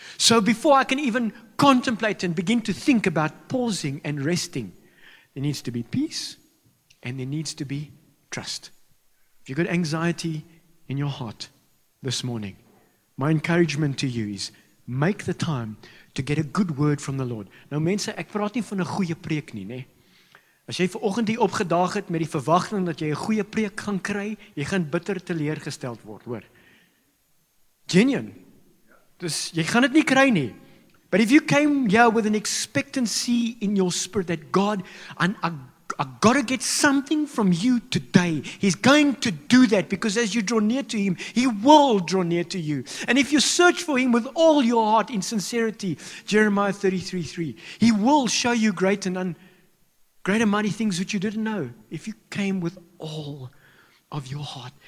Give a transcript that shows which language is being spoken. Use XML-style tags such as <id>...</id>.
<en>So before I can even contemplate and begin to think about pausing and resting, there needs to be peace and there needs to be trust. If you've got anxiety in your heart this morning, my encouragement to you is make the time to get a good word from the Lord.</en> <af>Nou mense, ek praat nie van 'n goeie preek nie, né? As jy vanoggend hier opgedaag het met die verwagting dat jy 'n goeie preek gaan kry, jy gaan bitter teleurgesteld word, hoor. Genuine. Dus jy gaan dit nie kry nie.</af> <en>But if you came here with an expectancy in your spirit that God, and I got to get something from you today, He's going to do that, because as you draw near to Him, He will draw near to you. And if you search for Him with all your heart in sincerity, Jeremiah 33:3, He will show you great and mighty things which you didn't know, if you came with all of your heart.</en>